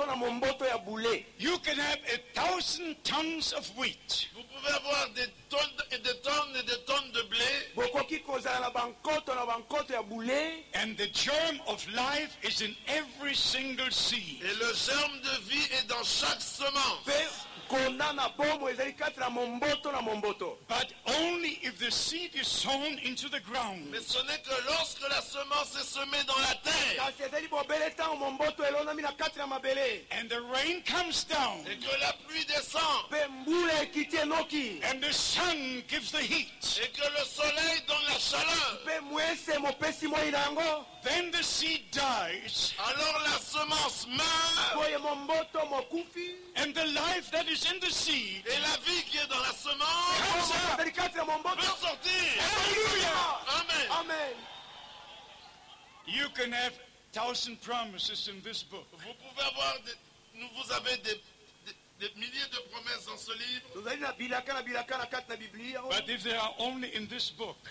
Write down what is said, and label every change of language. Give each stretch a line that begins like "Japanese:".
English: You can have 1,000 tons of wheat.
French: Vous pouvez avoir des tonnes et des tonnes de blé.
English: And the germ of life is in every single seed.
French: Et le germe de vie est dans chaque semence.
English: But only if the seed is sown into the ground.
French: Mais ce n'est que lorsque la semence est semée dans la terre.
English: And the rain comes down.
French: Et que la pluie descend.
English: And the sun gives the heat.
French: Et que le soleil donne la chaleur.
English: Then the seed dies.
French: Alors la semence meurt.
English: And the life that is in the seed.
French: Et la vie qui est dans la semence. Comme ça. Hallelujah. Amen.
English: You can have 1,000 promises in this book.
French: Vous pouvez avoir des milliers de promesses dans ce livre.
English: But if they are only in this book.